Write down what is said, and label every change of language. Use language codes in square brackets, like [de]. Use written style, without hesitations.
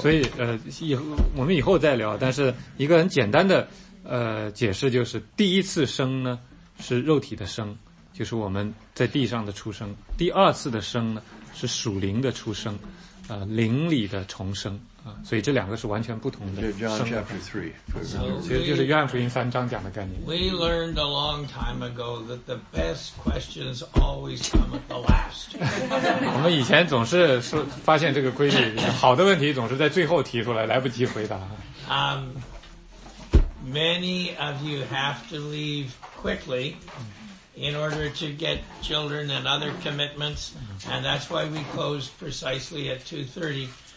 [zh] 所以，我们以后再聊。但是一个很简单的解释就是，第一次生呢是肉体的生，就是我们在地上的出生；第二次的生呢是属灵的出生，灵里的重生。所以这两个是完全不同的。 [en] John chapter 3. [zh] 其实就是约翰福音三章讲的概念。 [en] We learned a long time ago that the best questions always come at the last. [zh] 我们以前总是说发现这个规律，好的问题总是在最后提出来，来不及回答。 [en] Many of you have to leave quickly in order to get children and other commitments, and that's why we closed precisely at 2:30.